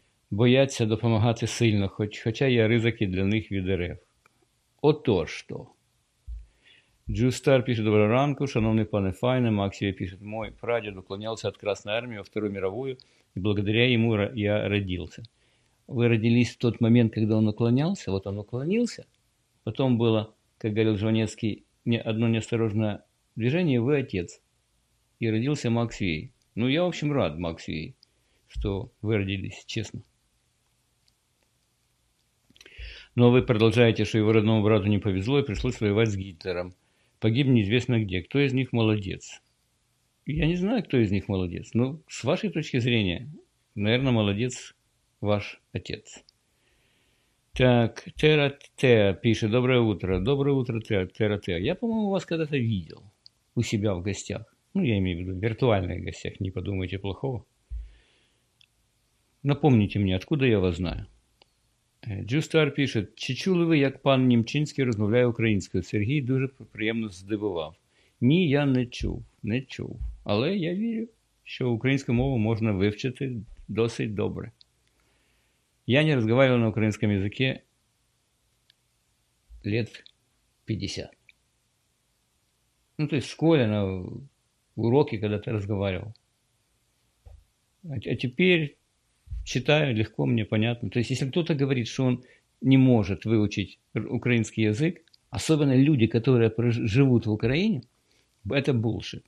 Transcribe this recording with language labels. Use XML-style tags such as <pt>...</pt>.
<uk>Бояться допомагати сильно, хоча є ризики для них від РФ. Ото ж то. Джустар пише, доброго ранку. Шановний пане Файне, Максів пише, мой прадід уклонявся від Красної армії</uk> <ru>у Вторую мировую,</ru> <uk>і благодаря йому я родився.</uk> <ru>Вы родились в тот момент, когда он уклонялся. Вот он уклонился. Потом было, как говорил Жванецкий, одно неосторожное движение, вы отец. И родился Макс Вей. Ну, я, в общем, рад, Макс Вей, что вы родились, честно. Но вы продолжаете, что его родному брату не повезло и пришлось воевать с Гитлером. Погиб неизвестно где. Кто из них молодец? Я не знаю, кто из них молодец. Но с вашей точки зрения, наверное, молодец ваш отец. Так, Тера-Теа пишет. Доброе утро. Доброе утро, Тера-Теа. Я, по-моему, вас когда-то видел у себя в гостях. Ну, я имею в виду в виртуальных гостях. Не подумайте плохого. Напомните мне, откуда я вас знаю. Джустар пишет.</ru> <uk>Чи чули ви, як пан Німчинський розмовляє українською? Сергій дуже приємно здивував. Ні, я не чув. Не чув. Але я вірю, що українську мову можна вивчити досить добре.</uk> <ru>Я не разговаривал на украинском языке лет 50. Ну, то есть в школе, на уроке когда-то разговаривал. А теперь читаю, легко мне, понятно. То есть если кто-то говорит, что он не может выучить украинский язык, особенно люди, которые живут в Украине, это булшит.</ru>